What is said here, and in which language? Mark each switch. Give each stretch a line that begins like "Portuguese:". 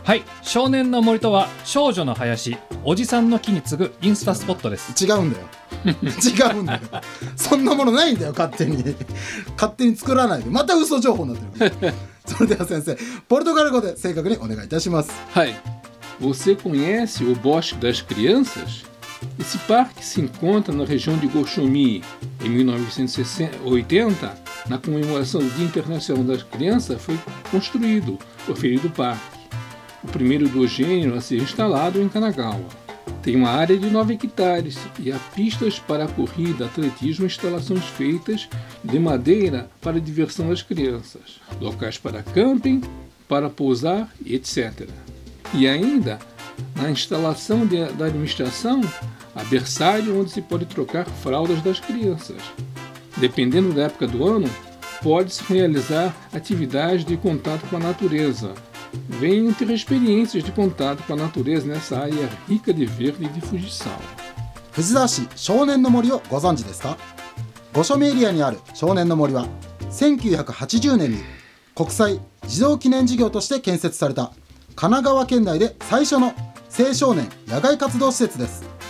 Japanese: はい、少年の森とは少女の林、おじさんの木に次ぐインスタスポットです。違うんだよ違うんだよ、そんなものないんだよ。勝手に勝手に作らないで、また嘘情報になってる。それでは先生、ポルトガル語で正確にお願いいたします。はい。
Portuguese: Você conhece o Bosque das Crianças? Esse parque se encontra na região de Goxumi, em 1980, na comemoração do Dia Internacional das Crianças, foi construído o referido parque, o primeiro do gênero a ser instalado em Kanagawa. Tem uma área de 9 hectares e há pistas para corrida, atletismo e instalações feitas de madeira para diversão das crianças, locais para camping, para pousar, etc. E ainda, na instalação da administração, há berçário onde se pode trocar fraldas das crianças. Dependendo da época do ano, pode-se realizar atividades de contato com a natureza. Venham ter experiências de contato com a natureza nessa área rica de verde e de fujisal.
Japanese: Fujisashi, 少年の森をご存知ですか?Goshomi エリアにある少年の森は、1980年に国際児童記念事業として建設された、神奈川県内で最初の青少年野外活動施設です。